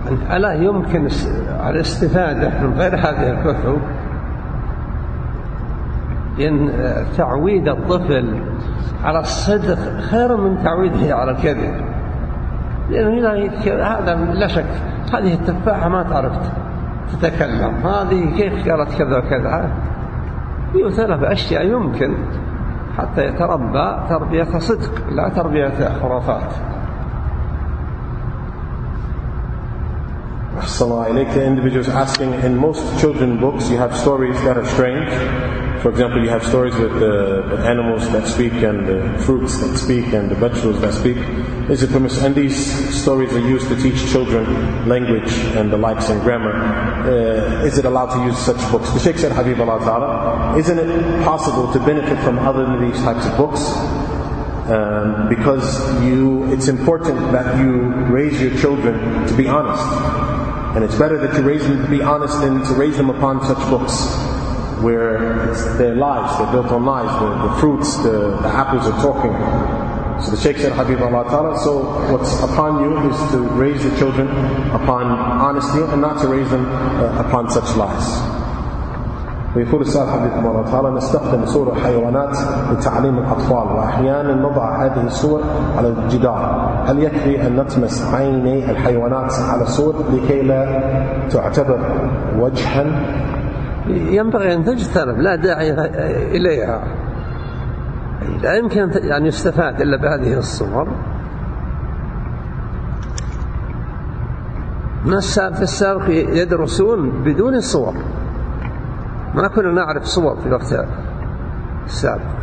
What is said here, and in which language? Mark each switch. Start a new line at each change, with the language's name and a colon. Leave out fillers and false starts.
Arabic: ألا يمكن الاستفادة من غير هذه الكتب؟ إن تعويد الطفل على الصدق خير من تعويده على الكذب، لأن هذا لا شك هذه التفاحة ما تعرفت تتكلم، هذه كيف قالت كذا وكذا، يثلث أشياء يمكن حتى يتربى تربية صدق لا تربية خرافات. Assalamu alaikum.
English: The individual is asking, in most children books you have stories that are strange. For example, you have stories with animals that speak and the fruits that speak and the vegetables that speak. Is it permissible? And these stories are used to teach children language and the likes and grammar. Is it allowed to use such books? The Sheikh said, Habib Allah Ta'ala, isn't it possible to benefit from other than these types of books? Because it's important that you raise your children to be honest. And it's better that you raise them to be honest than to raise them upon such books, where it's their lives, they're built on lies, the fruits, the apples are talking. So the Shaykh said, Habib Allah Ta'ala, so what's upon you is to raise the children upon honesty and not to raise them upon such lies.
Arabic: ويقول السائل حفظكم الله تعالى نستخدم صور الحيوانات لتعليم الأطفال وأحيانا نضع هذه الصور على الجدار هل يكفي أن نتمس عيني الحيوانات على الصور لكي لا تعتبر وجها ينبغي أن تجتنب لا داعي إليها لا يمكن أن يستفاد إلا بهذه الصور ما في السابق يدرسون بدون الصور ما كنا نعرف صور في الوقت السابق.